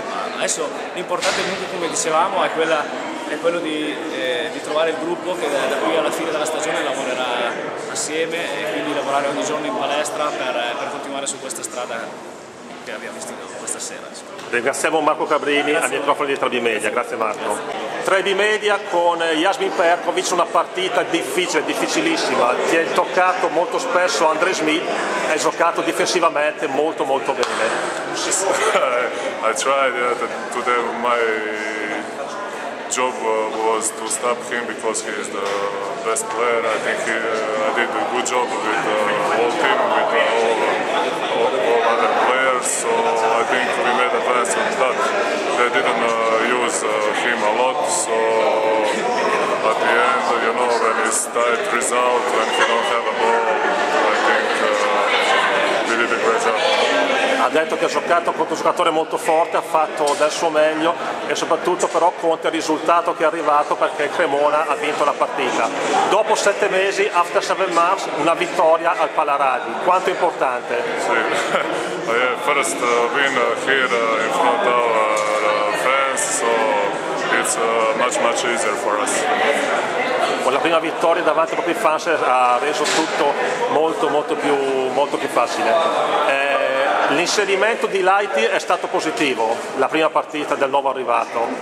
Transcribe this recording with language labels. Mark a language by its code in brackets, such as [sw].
[it] Ma adesso l'importante comunque, come dicevamo, è quello di trovare il gruppo che da qui alla fine della stagione lavorerà assieme e quindi lavorare ogni giorno in palestra per continuare su questa strada che abbiamo visto questa sera. Ringraziamo Marco Cabrini al microfono di Trebimedia. Grazie Marco. Trebimedia con Jasmin Perkovic, una partita difficile, difficilissima. Ti è toccato molto spesso André Smith, hai giocato difensivamente molto molto bene. [en] I tried today, my job was to stop him because he is the best player. I think I did a good job with the whole team, with all other players, so I think we made a pass on that. They didn't use him a lot, so at the end, you know, when it's tight result, when you don't have a ball, I think we did a great job. [it] Ha detto che ha giocato contro un giocatore molto forte, ha fatto del suo meglio e soprattutto però conta il risultato che è arrivato, perché Cremona ha vinto la partita. Dopo 7 mesi, [en] after 7 months, [it] una vittoria al Palaradi. Quanto è importante? [en] Sì, yeah, first win here in front of our fans, so it's much much easier for us. [it] Con la prima vittoria davanti ai propri fans ha reso tutto molto molto più facile. L'inserimento di Laiti è stato positivo, la prima partita del nuovo arrivato.